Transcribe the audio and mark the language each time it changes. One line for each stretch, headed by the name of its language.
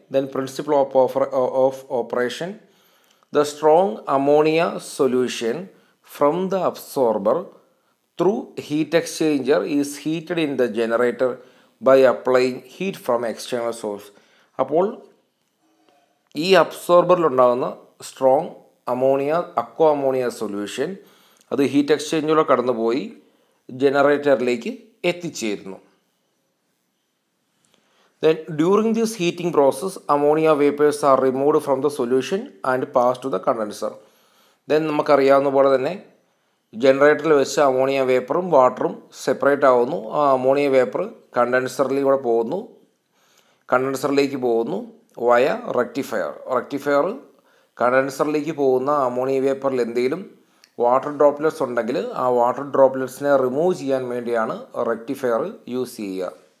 English: Then principle of operation, the strong ammonia solution from the absorber through heat exchanger is heated in the generator by applying heat from external source.
Malayalam: അപ്പോൾ ഈ അബ്സോർബറിലുണ്ടാകുന്ന strong ammonia അക്വാ ammonia solution അത് heat എക്സ്ചേഞ്ചിലൂടെ കടന്നുപോയി ജനറേറ്ററിലേക്ക് എത്തിച്ചേരുന്നു.
English: Then during this heating process, ammonia vapors are removed from the solution and passed to the condenser.
Malayalam: Then നമുക്കറിയാവുന്ന പോലെ തന്നെ ജനറേറ്ററിൽ വെച്ച് അമോണിയ വേപ്പറും വാട്ടറും സെപ്പറേറ്റ് ആവുന്നു. ആ അമോണിയ വേപ്പർ കണ്ടൻസറിലൂടെ പോകുന്നു, കണ്ടൻസറിലേക്ക് പോകുന്നു വയ റെക്ടിഫയർ. റെക്ടിഫയർ കണ്ടൻസറിലേക്ക് പോകുന്ന അമോണിയ വേപ്പറിൽ എന്തെങ്കിലും വാട്ടർ ഡ്രോപ്ലെറ്റ്സ് ഉണ്ടെങ്കിൽ ആ വാട്ടർ ഡ്രോപ്ലെറ്റ്സിനെ റിമൂവ് ചെയ്യാൻ വേണ്ടിയാണ് റെക്ടിഫയർ യൂസ് ചെയ്യുക.